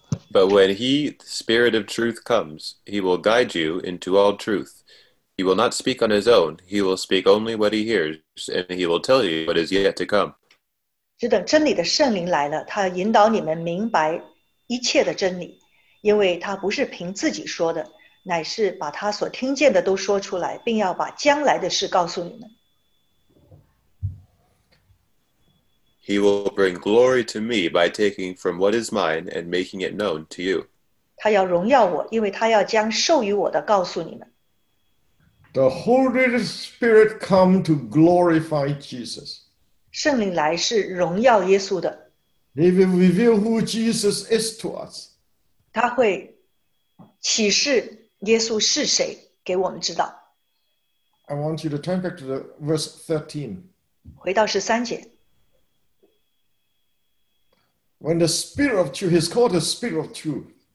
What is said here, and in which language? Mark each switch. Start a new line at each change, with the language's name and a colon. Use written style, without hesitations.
English: But when he, the Spirit of truth, comes, he will guide you into all truth. He will not speak on his own. He will speak only what he hears, and he will tell you what is yet to come.
Chinese: 只等真理的圣灵来了, 他引导你们明白一切的真理, 因为他不是凭自己说的, 乃是把他所听见的都说出来, 并要把将来的事告诉你们。
English: He will bring glory to me by taking from what is mine and making it known to you.
Chinese: 他要荣耀我, 因为他要将授予我的告诉你们。
English: The Holy Spirit come to glorify Jesus.
Chinese: 圣灵来是荣耀耶稣的。
English: He will reveal who Jesus is to us.
Chinese: 他会启示 耶稣是谁给我们知道。
English: I want you to turn back to the verse 13.
Chinese: 回到13节。
English: When the Spirit of truth, he's called the Spirit of truth.